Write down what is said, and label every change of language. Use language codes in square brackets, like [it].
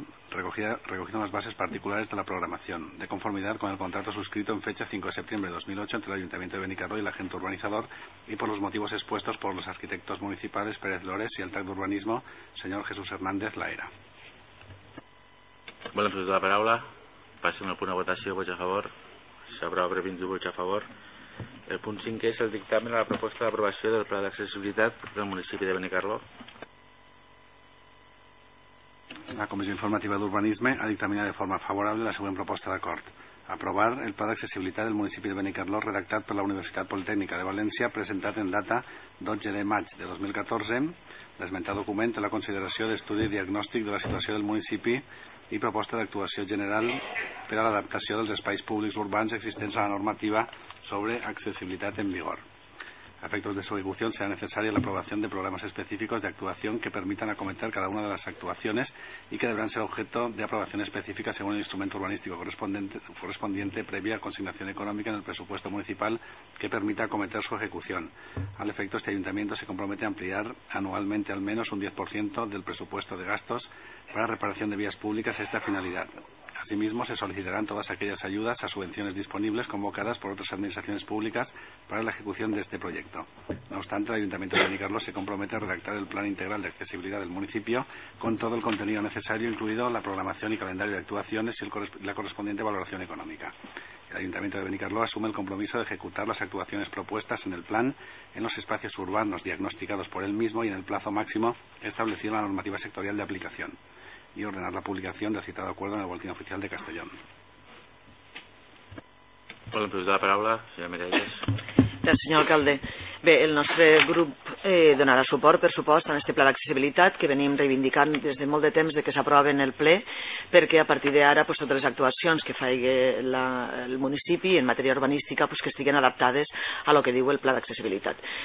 [es] recogiendo las bases particulares de la programación, de conformidad con el contrato suscrito en fecha 5 de septiembre de 2008 entre el Ayuntamiento de Benicarló y el agente urbanizador y por los motivos expuestos por los arquitectos municipales Pérez Lores y el TAC de Urbanismo, señor Jesús Hernández Laera. [ca] Volem presentar la paraula. Passem al punt de votació. Vots a favor. S'aprova per 20 vots a favor. El punt 5 és el dictamen a la proposta d'aprovació del pla d'accessibilitat del municipi de Benicarló. La Comissió Informativa d'Urbanisme ha dictaminat de forma favorable la següent proposta d'acord. Aprovar el Pla d'Accessibilitat del municipi de Benicarló redactat per la Universitat Politècnica de València, presentat en data 12 de maig de 2014. L'esmentat document té la consideració d'estudi diagnòstic de la situació del municipi i proposta d'actuació general per a l'adaptació dels espais públics urbans existents a la normativa sobre accessibilitat en vigor. [es] A efectos de su ejecución será necesaria la aprobación de programas específicos de actuación que permitan acometer cada una de las actuaciones y que deberán ser objeto de aprobación específica según el instrumento urbanístico correspondiente previa consignación económica en el presupuesto municipal que permita acometer su ejecución. Al efecto, este ayuntamiento se compromete a ampliar anualmente al menos un 10% del presupuesto de gastos para reparación de vías públicas a esta finalidad. Asimismo, se solicitarán todas aquellas ayudas a subvenciones disponibles convocadas por otras administraciones públicas para la ejecución de este proyecto. No obstante, el Ayuntamiento de Benicarló se compromete a redactar el Plan Integral de Accesibilidad del municipio con todo el contenido necesario, incluido la programación y calendario de actuaciones y la correspondiente valoración económica. El Ayuntamiento de Benicarló asume el compromiso de ejecutar las actuaciones propuestas en el plan en los espacios urbanos diagnosticados por él mismo y en el plazo máximo establecido en la normativa sectorial de aplicación, y ordenar la publicación del citado acuerdo en el Boletín Oficial de Castellón. [ca] Volem preguntar la paraula, senyora Mireia. Senyor alcalde, bé, el nostre grup donarà suport, per supost, a aquest pla d'accessibilitat que venim reivindicant des de molt de temps de que s'aprova en el ple, perquè a partir d'ara pues, totes les actuacions que faigui el municipi en matèria urbanística pues, que estiguin adaptades a lo que diu el pla d'accessibilitat.